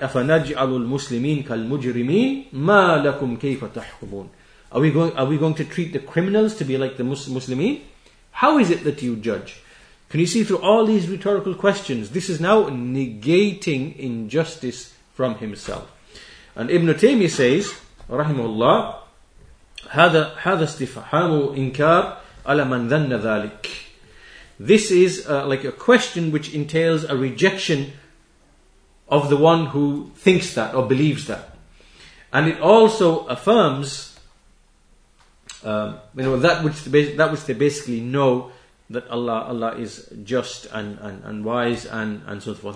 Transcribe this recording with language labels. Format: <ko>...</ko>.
<ar>أَفَنَجْعَلُ الْمُسْلِمِينَ كَالْمُجْرِمِينَ مَا لَكُمْ كَيْفَ تَحْكُمُونَ.</ar> <en>Are we going to treat the criminals to be like the Muslimin? How is it that you judge? Can you see through all these rhetorical questions, this is now negating injustice from himself. And Ibn Taymiyyah says, Rahimullah,</en> <ar>هذا استفهام إنكار على من ذن ذلك.</ar> <en>This is like a question which entails a rejection of the one who thinks that or believes that, and it also affirms that which they basically know, that Allah is just and wise and so forth.</en>